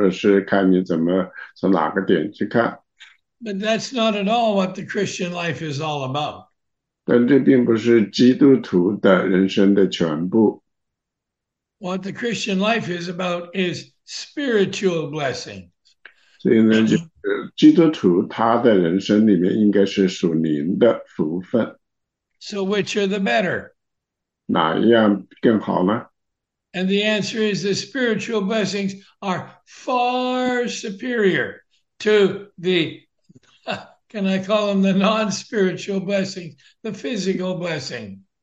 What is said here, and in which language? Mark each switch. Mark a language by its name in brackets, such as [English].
[Chinese] 所以呢，从某种意义上来说呢，这也是个事实，就是说是看你怎么从哪个点去看。 [English] But that's not at all what the Christian life is all about. [Chinese] 但这并不是基督徒的人生的全部。 [English] What the Christian life is about is spiritual blessings. [Chinese] 所以呢，就是基督徒他的人生里面应该是属灵的福分。 [English] So, which are the better? [Chinese] 哪一样更好呢？ [English] And the answer is the spiritual blessings are far superior to the, can I call them the non-spiritual blessings, the physical blessing.